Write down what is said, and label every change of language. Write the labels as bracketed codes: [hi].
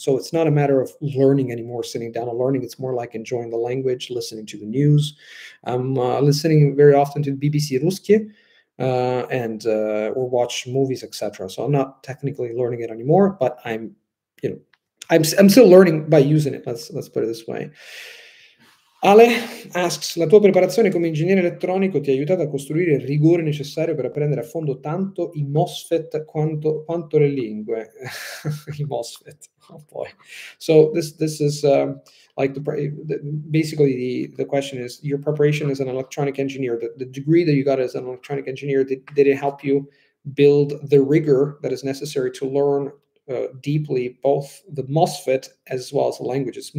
[en] So it's not a matter of learning anymore, sitting down and learning. It's more like enjoying the language, listening to the news. I'm listening very often to BBC Ruski. Or watch movies, etc. So I'm not technically learning it anymore, but I'm still learning by using it. Let's put it this way. [it] Ale asks, la tua preparazione come ingegnere elettronico ti ha aiutato a costruire il rigore necessario per apprendere a fondo tanto i MOSFET quanto le lingue. [en] I MOSFET. Oh boy. So this is the question is, your preparation as an electronic engineer, the degree that you got as an electronic engineer, did it help you build the rigor that is necessary to learn deeply both the MOSFET as well as the languages?